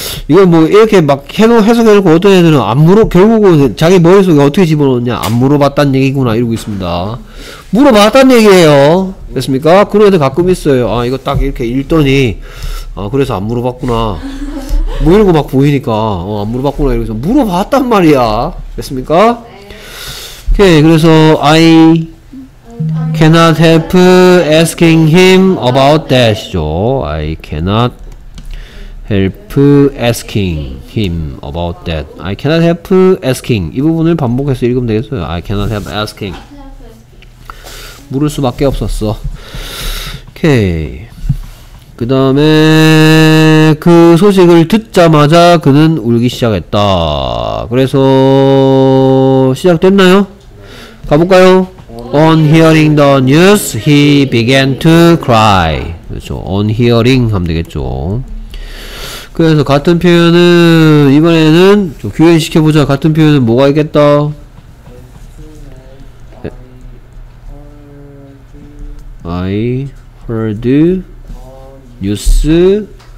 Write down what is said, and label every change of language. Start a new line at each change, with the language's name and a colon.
Korean: 이건 뭐 이렇게 막 해석해놓고 어떤 애들은 안 물어, 결국은 자기 머릿속에 어떻게 집어넣냐? 안 물어봤단 얘기구나. 이러고 있습니다. 물어봤단 얘기예요. 됐습니까? 그런 애들 가끔 있어요. 아, 이거 딱 이렇게 읽더니, 아, 그래서 안 물어봤구나. 뭐 이런 거 막 보이니까, 어, 안 물어봤구나. 이러면서 물어봤단 말이야. 됐습니까? 네. 오케이.
English: 그래서, I cannot help asking him about that이죠. I cannot help asking him about that. I cannot help asking.
Korean: 이 부분을 반복해서 읽으면 되겠어요.
English: I cannot help asking.
Korean: 물을 수밖에 없었어. 오케이. 그 다음에 그 소식을 듣자마자 그는 울기 시작했다. 그래서 시작됐나요? 가볼까요?
English: On hearing the news, he began to cry.
Korean: 그렇죠.
English: On hearing
Korean: 하면 되겠죠. 그래서 같은 표현은 이번에는 좀 교회시켜보자. 같은 표현은 뭐가 있겠다? 네.
English: I heard news.